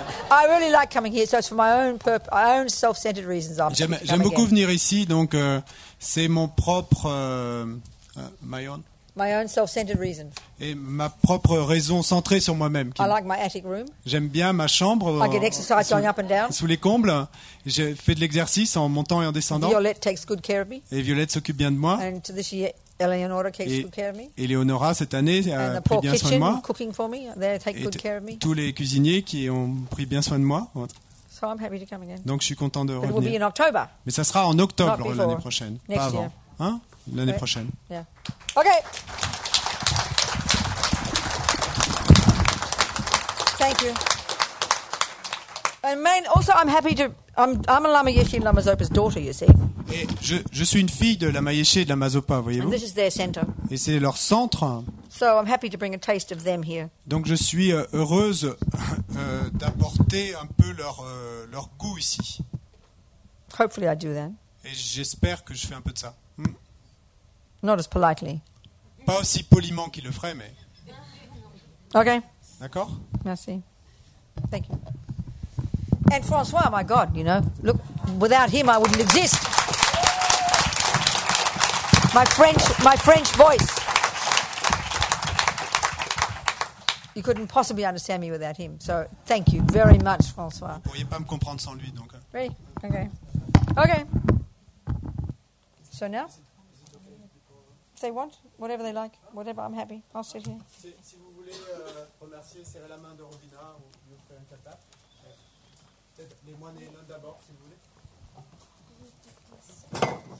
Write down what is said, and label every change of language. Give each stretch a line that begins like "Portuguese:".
English: I really like coming here, so it's for my own own self-centered reasons.
French: J'aime beaucoup venir ici, donc c'est mon propre
English: My own self-centered reason.
French: Et ma propre raison centrée sur moi-même.
English: I like my attic room.
French: J'aime bien ma chambre.
English: I get exercise going up and down.
French: Sous les combles, j'ai fait de l'exercice en montant et en descendant.
English: Violette takes good care of me.
French: Et Violette s'occupe bien de moi.
English: And to this year, Eleonora takes good care of me.
French: Et Eleonora cette année a pris bien soin de moi.
English: Cooking for me, they take good care of me.
French: Tous les cuisiniers qui ont pris bien soin de moi.
English: So I'm happy to come again.
French: Donc je suis content de
English: But
French: revenir.
English: It will be in October.
French: Mais ça sera en octobre l'année prochaine,
English: Next
French: pas avant.
English: Year.
French: Hein? L'année prochaine.
English: Yeah. Okay. Thank you. And man, also I'm happy to I'm a Lama Yeshe Lama Zopa's daughter, you see.
French: Et je suis une fille de Lama Yeshe de Lama Zopa, voyez-vous.
English: And this is their center.
French: Et c'est leur centre.
English: So I'm happy to bring a taste of them here.
French: Donc je suis heureuse d'apporter un peu leur goût ici.
English: Hopefully I do that.
French: Et j'espère que je fais un peu de ça.
English: Not as politely.
French: Pas aussi poliment qu'il le ferait, mais.
English: Okay.
French: D'accord. Merci.
English: Thank you. And François, my God, you know, look, without him, I wouldn't exist. My French voice. You couldn't possibly understand me without him. So thank you very much, François.
French: Vous pourriez pas me comprendre sans lui, donc. Oui, OK. OK.
English: So now? If they want, whatever they like, whatever, I'm happy. I'll sit here.
French: Si vous voulez remercier, serrer la main de Robina, ou lui offrir une tata, peut-être les moines et l'homme d'abord, si vous voulez.